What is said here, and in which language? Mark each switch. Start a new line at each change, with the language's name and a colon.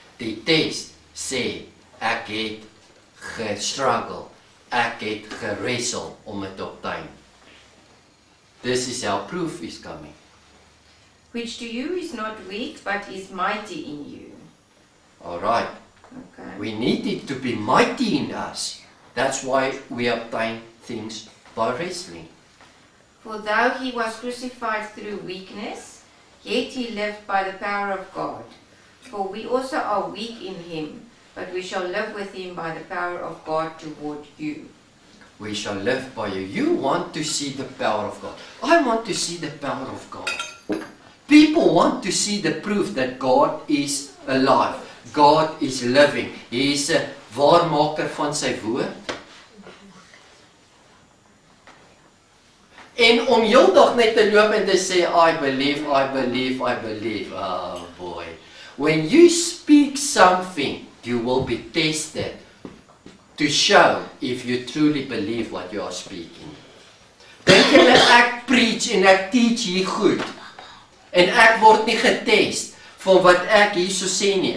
Afrikaans: Die test sê, ek het gestruggle, ek het geresel om het op time.
English: This is how proof is coming. Which to you is not weak, but is mighty in you. Alright. Okay. We need it to be mighty in us. That's why we obtain things by wrestling. For though he was crucified through weakness, yet he lived by the power of God. For we also are weak in him, but we shall live with him by the power of God toward you. We shall live by you. You want to see the power of God. I want to see the power of God. People want to see the proof that God is alive. God is living. He is a
Afrikaans: waarmaker van sy woord. En om heel dag net te loop en te sê,
English: I believe, I believe, I believe. Oh boy. When you speak something, you will be tested to show if you truly believe what you are speaking.
Afrikaans: Denk julle, ek preach en ek teach hier goed. En ek word nie getest vir wat ek hier so sê nie.